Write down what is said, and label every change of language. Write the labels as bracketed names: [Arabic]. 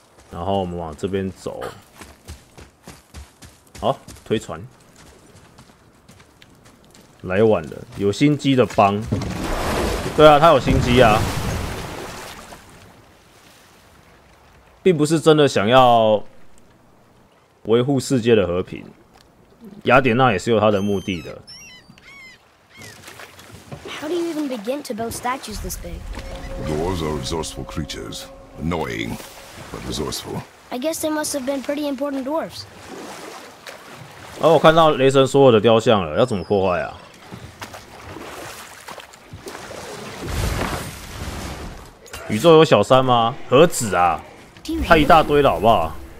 [Chinese] 然后我们往这边走，好，推船，来晚了，有心机的帮，对啊，他有心机啊，并不是真的想要维护世界的和平，雅典娜也是有他的目的的。 [English] How do you even begin to build statues this big? Dwarves are resourceful creatures, annoying, but resourceful. I guess they must have been pretty important dwarves. [Chinese] 哦，我看到雷神所有的雕像了，要怎么破坏啊？宇宙有小三吗？何止啊，他一大堆了，好不好？